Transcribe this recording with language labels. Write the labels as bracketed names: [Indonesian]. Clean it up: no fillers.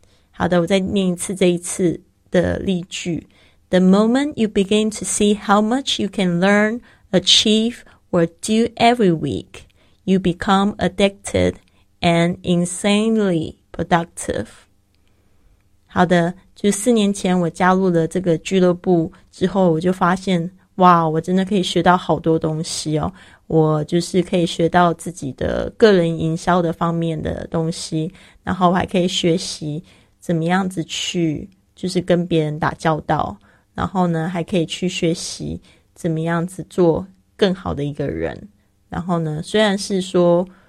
[Chinese] 好的，我再念一次这一次的例句。 [English] The moment you begin to see how much you can learn, achieve or do every week, you become addicted and insanely productive. [Chinese] 好的，就四年前我加入了这个俱乐部之后，我就发现哇，我真的可以学到好多东西哦，我就是可以学到自己的个人营销的方面的东西，然后我还可以学习怎么样子去就是跟别人打交道，然后呢还可以去学习怎么样子做更好的一个人，然后呢虽然是说